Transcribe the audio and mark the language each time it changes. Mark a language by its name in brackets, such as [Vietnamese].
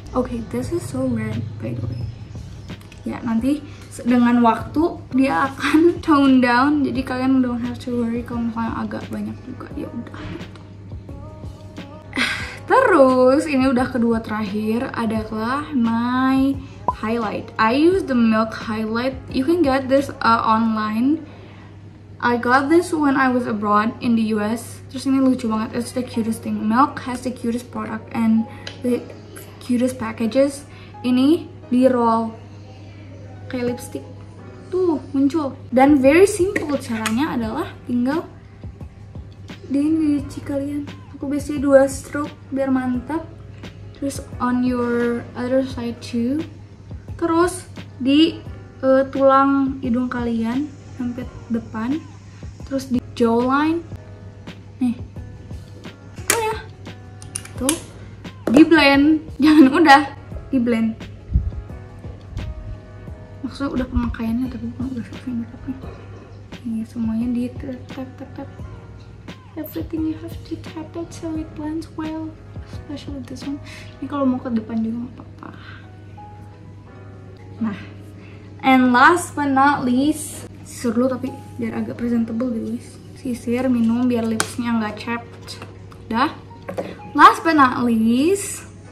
[English] Okay, this is so red, by the way. [Indonesian] Ya, nanti dengan waktu dia akan tone down. Jadi kalian [English] don't have to worry [Indonesian] kalau misalnya agak banyak juga. Ya udah. Terus, ini udah kedua terakhir. Adalah [English] my highlight. I use the Milk highlight. You can get this online. I got this when I was abroad in the US. [Indonesian] Terus ini lucu banget, [English] it's the cutest thing. Milk has the cutest product and the cutest packages. [Indonesian] Ini di roll kayak lipstick. Tuh, muncul. Dan [English] very simple [Indonesian] caranya adalah tinggal di cheek kalian. Aku biasanya 2 stroke biar mantap. Terus [English] on your other side too. [Indonesian] Terus di tulang hidung kalian sampai depan. Terus di jawline. Nih. Oh ya. Tuh. Di blend. Jangan udah. Di blend. Maksudnya udah pemakaiannya. Tapi udah shopping. Ini semuanya di tap. [English] Everything you have to tap it so it blends well. Especially this one. [Indonesian] Ini kalau mau ke depan juga gak apa-apa. Nah. [English] And last but not least. [Indonesian] Sisir dulu tapi biar agak presentable gitu guys. Sisir, minum biar lipsnya gak chapped. Dah. [English] Last but not least,